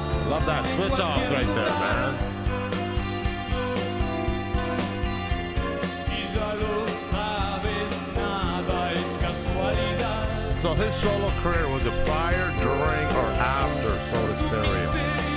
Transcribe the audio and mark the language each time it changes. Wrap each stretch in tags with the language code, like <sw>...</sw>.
<en>Love that switch off right there, man.</en> <es>Y ya lo sabes, nada es casualidad.</es> <en>So his solo career, was it prior, during, or after Soda Stereo?</en>